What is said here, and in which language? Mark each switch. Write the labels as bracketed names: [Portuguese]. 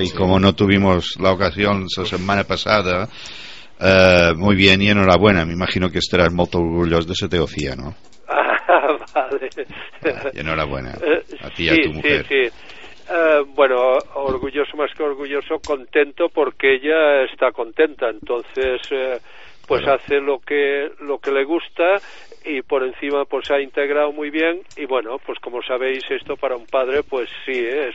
[Catalan] I com no tuvimos la ocasió la setmana passada, [Spanish] muy bien y enhorabuena. [Catalan] M'imagino que estaràs molt orgullós de sa teofia, no? [Spanish] Vale. Y enhorabuena a ti y a tu mujer. Sí. Bueno, orgulloso más que orgulloso, contento porque ella está contenta, entonces pues hace lo que le gusta y por encima pues se ha integrado muy bien y bueno, pues como sabéis esto para un padre pues sí, es